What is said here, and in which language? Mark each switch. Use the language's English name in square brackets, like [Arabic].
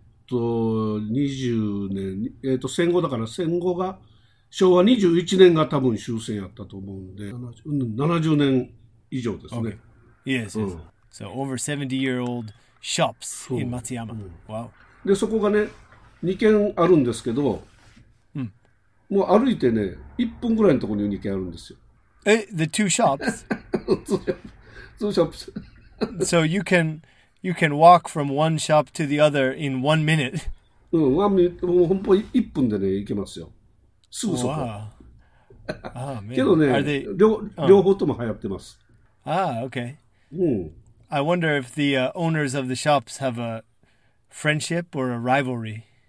[Japanese] 20年、戦後だから戦後が、昭和21年が多分終戦やったと思うんで、70年以上ですね。 [English] Yes, yes. So over 70-year-old shops in Matsuyama. Wow. [Japanese] で、そこがね、2軒あるんですけど、もう歩いてね、1分ぐらいのところに2軒あるんですよ。 [English] The two shops? two shops. So you can walk from one shop to the other in 1 minute? [Japanese] もう本当に1分でね、行けますよ。すぐそこ。 [English] Wow. [Japanese] けどね、両方とも流行ってます。 [English] Ah, okay. I wonder if the owners of the shops have a friendship or a rivalry.